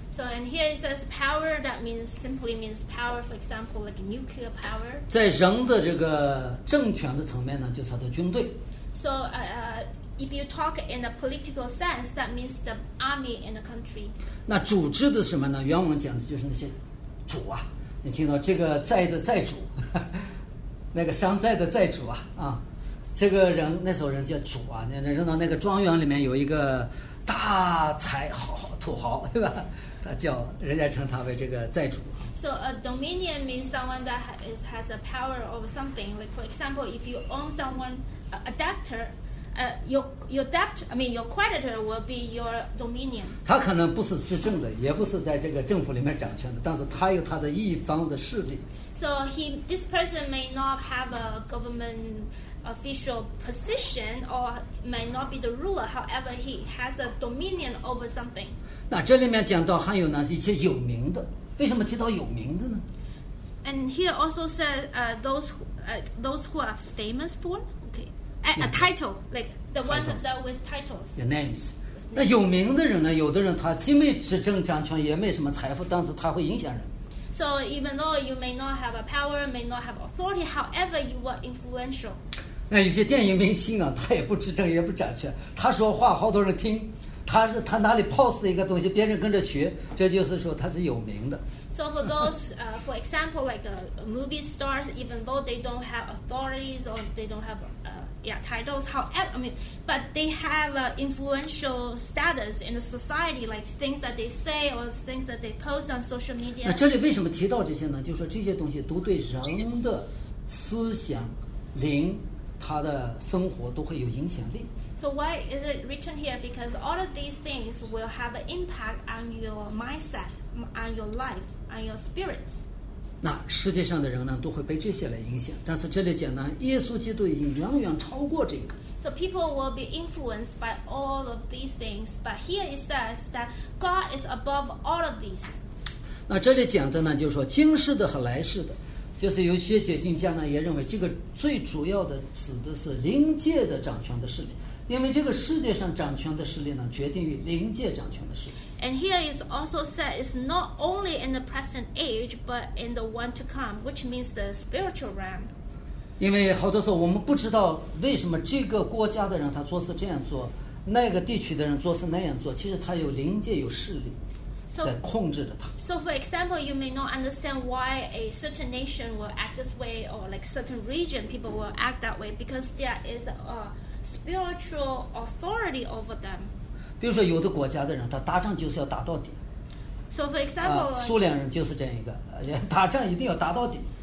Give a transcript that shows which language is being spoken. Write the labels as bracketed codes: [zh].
[en] ？So and here it says power that means simply means power. For example, like nuclear power. [zh] 在人的这个政权的层面呢，就叫做军队。 [en] So if you talk in a political sense, that means the army in a country. [zh] 那主治的什么呢？原文讲的就是那些主啊，你听到这个债的债主，那个山寨的债主啊，啊。这个人那时候人叫主啊，那扔到那个庄园里面有一个大财豪土豪，对吧？他叫人家称他为这个债主。 [en] So a dominion means someone that has a power over something. Like for example, if you own someone, a debtor, your creditor will be your dominion. [zh] 他可能不是执政的，也不是在这个政府里面掌权的，但是他有他的一方的势力。 [en] So this person may not have a government official position or may not be the ruler, however, he has a dominion over something. [zh] 那这里面讲到还有呢一些有名的，为什么提到有名的呢？ [en] And here also says those who are famous for, okay, a title, like the one titles. That with titles. Your names. [zh] 那有名的人呢？有的人他既没执政掌权，也没什么财富，但是他会影响人。 [en] So even though you may not have a power, may not have authority, however you are influential. [zh] 那有些电影明星啊，他也不执政，也不掌权，他说话好多人听，他哪里 pose 的一个东西，别人跟着学，这就是说他是有名的。 [en] So for those, for example, like movie stars, even though they don't have authorities or they don't have titles, however, I mean, but they have an influential status in the society, like things that they say or things that they post on social media. [zh] 那这里为什么提到这些呢？就是说这些东西都对人的思想、灵、他的生活都会有影响力。 [en] So why is it written here? Because all of these things will have an impact on your mindset, on your life, on your spirit. [zh] 那世界上的人呢，都会被这些来影响。但是这里讲呢，耶稣基督已经远远超过这个。 [en] So people will be influenced by all of these things, but here it says that God is above all of these. [zh] 那这里讲的呢，就是说今世的和来世的，就是有些解经家呢也认为这个最主要的指的是灵界的掌权的势力，因为这个世界上掌权的势力呢，决定于灵界掌权的势力。 [en] And here it's also said it's not only in the present age, but in the one to come, which means the spiritual realm. [zh] 因为好多时候我们不知道为什么这个国家的人他做事这样做，那个地区的人做事那样做，其实他有灵界有势力在控制着他。 [en] So for example, you may not understand why a certain nation will act this way, or like certain region people will act that way, because there is a spiritual authority over them. [zh] 比如说有的国家的人他打仗就是要打到底。 [en] So for example, [zh] 苏联人就是这样一个，打仗一定要打到底。